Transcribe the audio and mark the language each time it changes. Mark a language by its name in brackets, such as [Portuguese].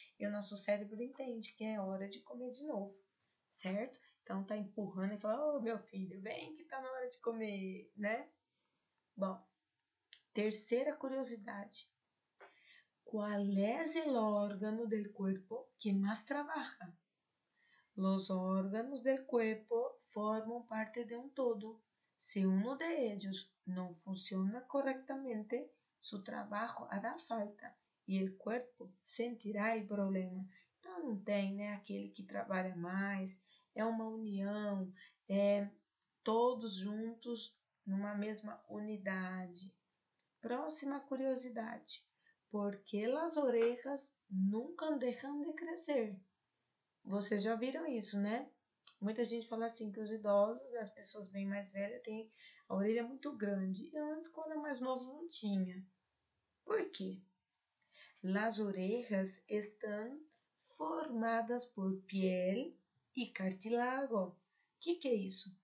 [Portuguese] E o nosso cérebro entende que é hora de comer de novo, certo? Então tá empurrando e fala: ô, meu filho, vem que tá na hora de comer, né? Bom, terceira curiosidade: qual é o órgão do corpo que mais trabalha? [Spanish] Los órganos del cuerpo forman parte de un todo. Si uno de ellos no funciona correctamente, su trabajo hará falta y el cuerpo sentirá el problema. [Portuguese] Então, não tem, né, aquele que trabalha mais. É uma união, é todos juntos numa mesma unidade. Próxima curiosidade: [Spanish] ¿por qué las orejas nunca dejan de crecer? [Portuguese] Vocês já viram isso, né? Muita gente fala assim que os idosos, né, as pessoas bem mais velhas, têm a orelha muito grande. E antes, quando era mais novo, não tinha. Por quê? [Spanish] Las orejas [Portuguese] estão formadas por piel e cartílago. Que é isso?